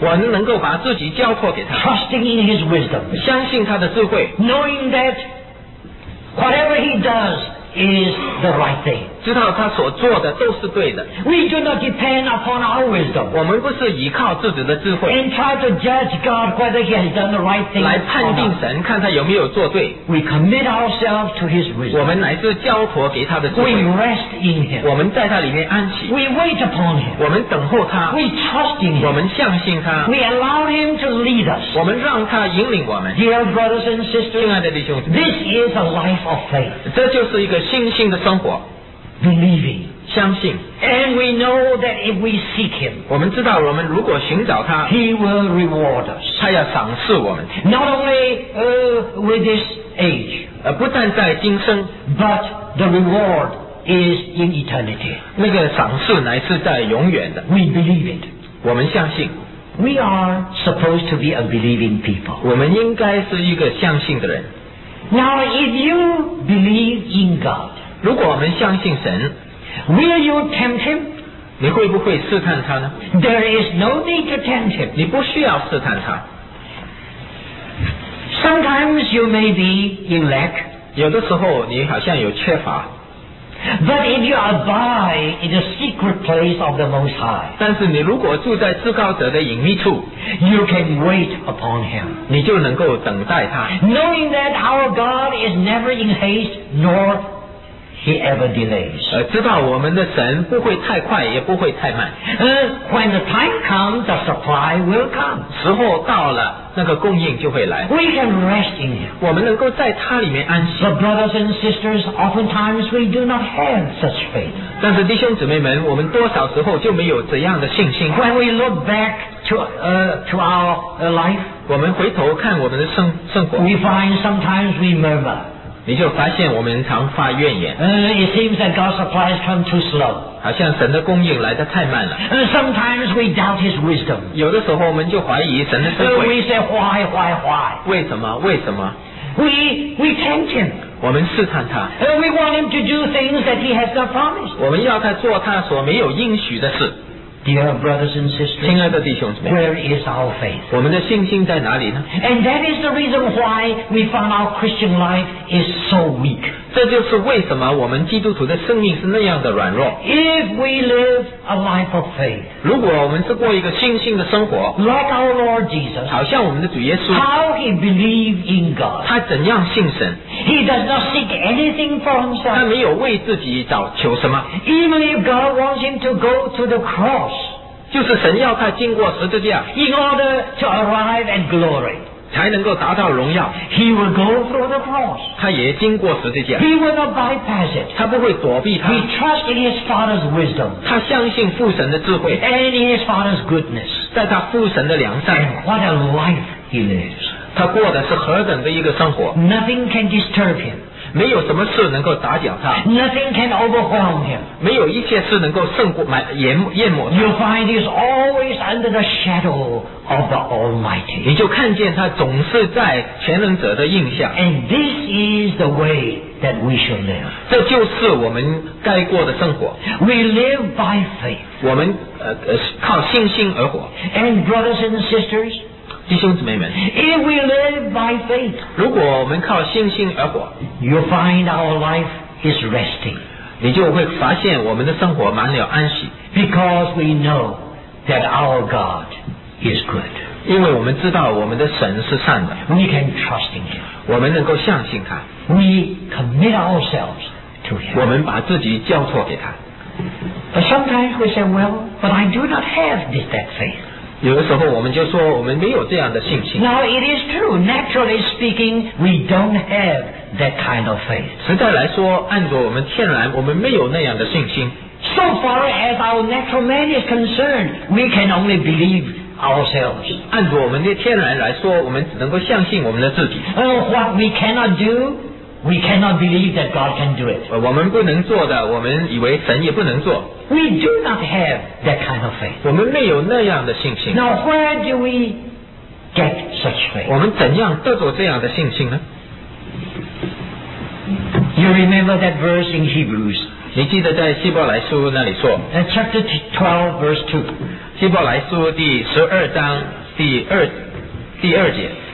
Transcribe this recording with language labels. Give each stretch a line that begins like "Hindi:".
Chinese: 我们能够把自己交托给他。
English: Trusting in his wisdom.
Chinese: 相信他的智慧。
English: Knowing that whatever he does. Is the right thing.
Chinese: 知道他所做的都是对的。
English: We do not depend upon our wisdom.
Chinese: 我们不是依靠自己的智慧。
English: And try to judge God whether he has done the right thing.
Chinese: 来判定神，看他有没有做对。
English: We commit ourselves to his wisdom.
Chinese: 我们乃是交托给他的智慧。
English: We rest in him.
Chinese: 我们在他里面安息。
English: We wait upon him.
Chinese: 我们等候他。
English: We trust in him.
Chinese: 我们相信他。
English: We allow him to lead us.
Chinese: 我们让他引领我们。
English: Dear brothers and sisters,
Chinese: 亲爱的弟兄姊妹
English: this is a life of faith.
Chinese: 这就是一个信心的生活
English: believing
Chinese: 相信
English: and we know that if we seek him
Chinese: 我们知道我们如果寻找他
English: he will reward us
Chinese: 他要赏赐我们
English: not only with this age
Chinese: 不但在今生
English: but the reward is in eternity
Chinese: 那个赏赐乃是在永远的
English: we believe it
Chinese: 我们相信
English: we are supposed to be a believing people
Chinese: 我们应该是一个相信的人
English: Now, if you believe in God,
Chinese: 如果我们相信神
English: will you tempt him?
Chinese: 你会不会试探他呢
English: There is no need to tempt him.
Chinese: 你不需要试探他
English: Sometimes you may be in lack.
Chinese: 有的时候你好像有缺乏
English: But if you abide in the secret place of the Most High,
Chinese: 但是你如果住在至高者的隐秘处
English: you can wait upon him.
Chinese: 你就能够等待他
English: Knowing that our God is never in haste nor he ever delays
Chinese: 知道我们的神不会太快也不会太慢
English: When the time comes the supply will come
Chinese: 时候到了那个供应就会来
English: We can rest in him
Chinese: 我们能够在他里面安息
English: But brothers and sisters oftentimes we do not have such faith
Chinese: 但是弟兄姊妹们我们多少时候就没有这样的信心
English: When we look backto our life
Chinese: 我们回头看我们的生活
English: we find sometimes we murmur
Chinese: 你就发现我们常发怨言
English: it seems that God's supplies come too slow
Chinese: 好像神的供应来得太慢了
English: sometimes we doubt his wisdom
Chinese: 有的时候我们就怀疑神的智慧
English: we say why
Chinese: 为什么
English: we tempt him
Chinese: 我们试探他
English: we want him to do things that he has not promised
Chinese: 我们要他做他所没有应许的事
English: Dear brothers and sisters,
Chinese: 亲爱的弟兄姊妹
English: where is our faith?
Chinese: 我们的信心在哪里呢
English: And that is the reason why we found our Christian life is so weak.
Chinese: 这就是为什么我们基督徒的生命是那样的软弱。
English: If we live a life of faith,
Chinese: 如果我们是过一个信心的生活
English: like our Lord Jesus,
Chinese: 好像我们的主耶稣
English: how he believed in God,
Chinese: 他怎样信神
English: he does not seek anything for himself.
Chinese: 他没有为自己找求什么。
English: Even if God wants him to go to the cross,
Chinese: 就是神要他经过十字架
English: In order to arrive at glory
Chinese: 才能够达到荣耀
English: He will go through the cross
Chinese: 他也经过十字架
English: He will not bypass it
Chinese: 他不会躲避他
English: He trusts in his father's wisdom
Chinese: 他相信父神的智慧
English: And in his father's goodness
Chinese: 在他父神的良善
English: And what a life he lives
Chinese: 他过的是何等的一个生活
English: Nothing can disturb him
Chinese: 没有什么事能够打搅他。
English: Nothing can overwhelm him.
Chinese: 没有一切事能够胜过淹没他。
English: You'll find he's always under the shadow of the Almighty.
Chinese: 你就看见他总是在全能者的印下。
English: And this is the way that we should live.
Chinese: 这就是我们该过的生活。
English: We live by faith.
Chinese: 我们靠信心而活。
English: And brothers and sisters.
Chinese: 弟兄姊妹们，
English: If we live by faith,
Chinese: 如果我们靠信心而活，
English: you'll find our life is resting.
Chinese: 你就会发现我们的生活满了安息。
English: Because we know that our God is good.
Chinese: 因为我们知道我们的神是善的。
English: We can trust in Him.
Chinese: 我们能够相信他。
English: We commit ourselves to Him.
Chinese: 我们把自己交托给他。
English: But sometimes we say, well, but I do not have this, that faith.
Chinese: 有的时候我们就说我们没有这样的信心。
English: Now it is true. Naturally speaking, we don't have that kind of faith.
Chinese: 实在来说，按照我们天然，我们没有那样的信心。
English: So far as our natural man is concerned, we can only believe ourselves.
Chinese: 按照我们的天然来说，我们只能够相信我们的自己。
English: What we cannot do, we cannot believe that God can do it.
Chinese: 我们不能做的，我们以为神也不能做。
English: We do not have that kind of faith.
Chinese: 我们没有那样的信心。
English: Now, where do we get such faith?
Chinese: 我们怎样得到这样的信心呢？
English: You remember that verse in Hebrews?
Chinese: 你记得在希伯来书那里说？
English: Chapter 12, verse 2.
Chinese: 希伯来书第十二章第二节。